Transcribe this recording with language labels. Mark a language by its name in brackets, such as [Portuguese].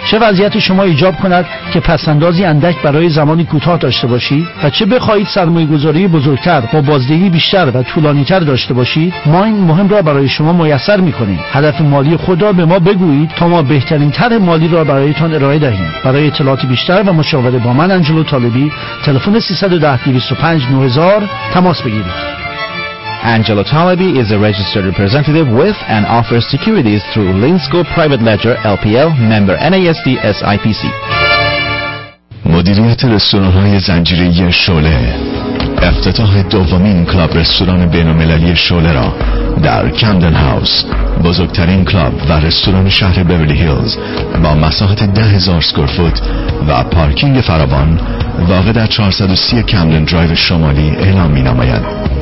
[Persian] چه وضعیت شما ایجاب کند که پس‌اندازی اندک برای زمانی کوتاه داشته باشی؟ و چه بخواهید سرمایه گذاری بزرگتر با بازدهی بیشتر و طولانیتر داشته باشید، ما این مهم را برای شما میسر میکنیم. هدف مالی خود را به ما بگویید تا ما بهترین طرح مالی را برایتان ارائه دهیم. برای اطلاعات بیشتر و مشاوره با من آنجلو طالبی، تلفن 310-205-9000 تماس بگیرید. [English] Angelo Talabi is a registered representative with and offers securities through Linsco Private Ledger LPL, member NASD SIPC. [Persian] مدیریت رستوران های زنجیره‌ای شعله، افتتاح دومین کلاب رستوران بین‌المللی شعله را در کمدن هاوس، بزرگترین کلاب و رستوران شهر بیورلی هیلز با مساحت 10,000 اسکوئر فوت و پارکینگ فراوان واقع در 430 کمدن درایو شمالی اعلام می‌نماید.